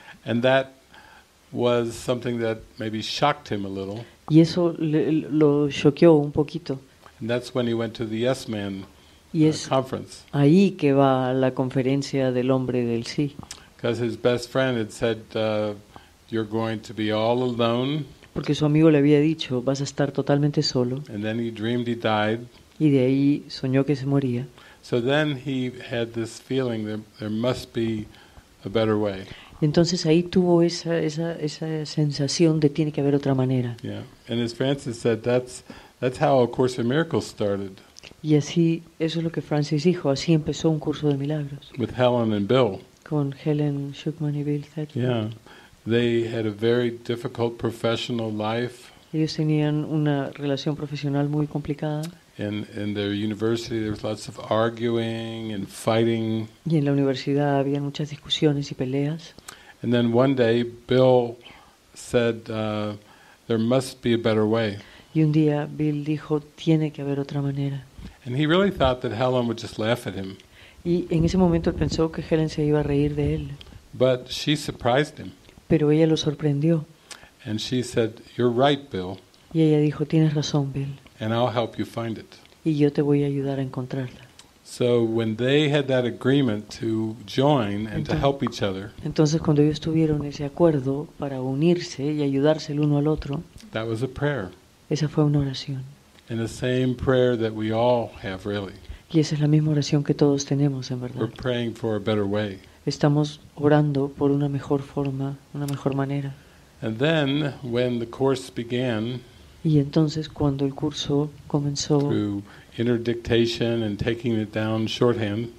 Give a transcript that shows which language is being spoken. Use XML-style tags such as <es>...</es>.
<en>And that was something that maybe shocked him a little.</en> <es>Y eso lo choqueó un poquito.</es> <en>And that's when he went to the Yes Man conference.</en> <es>Y es ahí que va la conferencia del hombre del sí.</es> <en>Because his best friend had said, "You're going to be all alone."</en> <es>Porque su amigo le había dicho, "Vas a estar totalmente solo."</es> <en>And then he dreamed he died.</en> <es>Y de ahí soñó que se moría.</es> <en>So then he had this feeling that there must be a better way.</en> <es>Entonces ahí tuvo esa sensación de tiene que haber otra manera.</es> <en>Yeah, and as Francis said, that's how A Course in Miracles started.</en> <es>Y así, eso es lo que Francis dijo, así empezó Un Curso de Milagros.</es> <en>With Helen and Bill.</en> <es>Con Helen Schuckman y Bill Thetford.</es> <en>Yeah, they had a very difficult professional life.</en> <es>Ellos tenían una relación profesional muy complicada.</es> <en>In their university, there was lots of arguing and fighting.</en> <es>Y en la universidad había muchas discusiones y peleas.</es> <en>And then one day, Bill said, "There must be a better way."</en> <es>Y un día Bill dijo, "Tiene que haber otra manera."</es> <en>And he really thought that Helen would just laugh at him.</en> <es>Y en ese momento él pensó que Helen se iba a reír de él.</es> <en>But she surprised him.</en> <es>Pero ella lo sorprendió.</es> <en>And she said, "You're right, Bill."</en> <es>Y ella dijo, "Tienes razón, Bill."</es> <en>And I'll help you find it.</en> <es>Y yo te voy a ayudar a encontrarla.</es> <en>So when they had that agreement to join and to help each other.</en> <es>Entonces cuando ellos tuvieron ese acuerdo para unirse y ayudarse el uno al otro.</es> <en>That was a prayer.</en> <es>Esa fue una oración.</es> <en>And the same prayer that we all have really.</en> <es>Y esa es la misma oración que todos tenemos en verdad.</es> <en>We're praying for a better way.</en> <es>Estamos orando por una mejor forma, una mejor manera.</es> <en>And then when the course began.</en> <es>Y entonces cuando el curso comenzó</es> <en>interdictation and taking it down shorthand,</en>